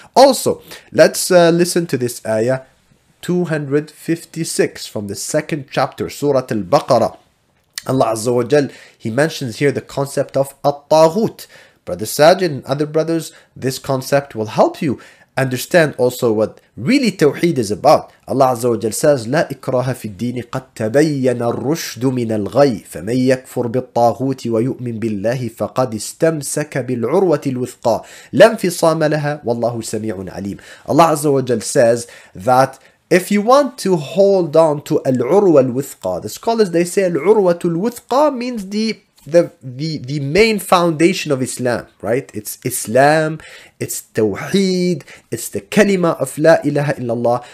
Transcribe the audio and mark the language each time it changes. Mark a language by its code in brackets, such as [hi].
[en] Also, let's listen to this ayah 256 from the second chapter, Surah Al-Baqarah. Allah Azza wa Jal, he mentions here the concept of at-taghut. Brother Sajid and other brothers, this concept will help you understand also what really tawheed is about. Allah Azza wa Jal says, [ar] لا إكراه في الدين قد تبين الرشد من الغي فمن يكفر بالطاغوت ويؤمن بالله فقد استمسك بالعروة الوثقى لا انفصام لها والله سميع عليم. [en] Allah Azza wa Jal says that if you want to hold on to العروة الوثقى, the scholars, they say العروة الوثقى means the main foundation of Islam, right? It's Islam, it's Tawheed, it's the kalima of La ilaha illallah.